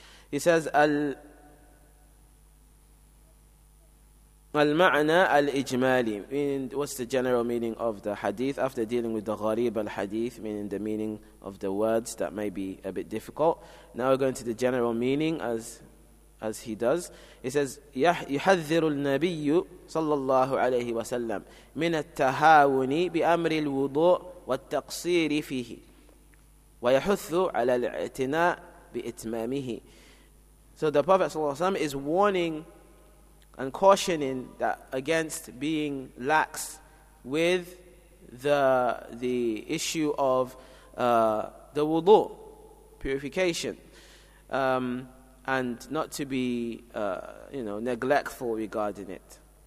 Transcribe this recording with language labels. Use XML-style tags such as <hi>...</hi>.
<en>He says, Al-ma'na al-ijmali, meaning what's the general meaning of the hadith after dealing with the gharib al-hadith, meaning the meaning of the words that may be a bit difficult. Now we're going to the general meaning, as as he does.</en> <ar>He says, يحذر النبي صلى الله عليه وسلم من التهاون بأمر الوضوء والتقصير فيه ويحث على الاعتناء بإتمامه.</ar> <en>So the Prophet</en> <ar>صلى الله عليه وسلم</ar> <en>is warning and cautioning that against being lax with the issue of the wudu, purification, and not to be neglectful regarding it.</en>